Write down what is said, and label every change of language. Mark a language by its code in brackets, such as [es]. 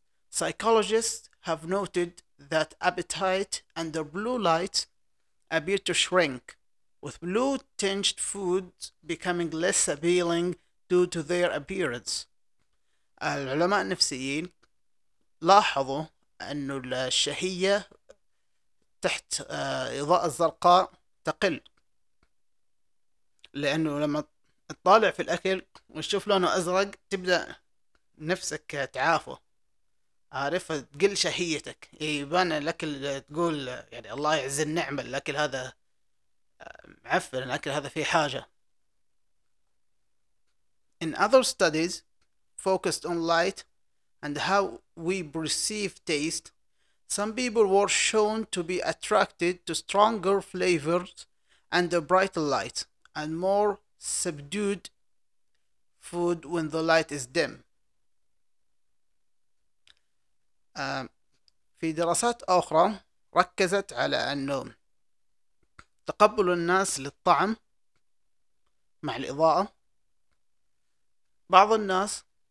[en] Psychologists have noted that appetite under blue light appear to shrink, with blue-tinged foods becoming less appealing due to their appearance. [ar] العلماء النفسيين لاحظوا أنه الشهية تحت إضاءة الزرقاء تقل، لأنه لما تطالع في الأكل وتشوف لونه أزرق تبدأ نفسك تعافى، عارف، تقل شهيتك، يبان الأكل تقول يعني الله يعز النعمة الأكل هذا معفن، الأكل هذا فيه حاجة. [en] In other studies focused on light and how we perceive taste, some people were shown to be attracted to stronger flavors under brighter light and more subdued food when the light is dim. [ar] في دراسات أخرى ركزت على أنه تقبل الناس للطعم مع الإضاءة، بعض الناس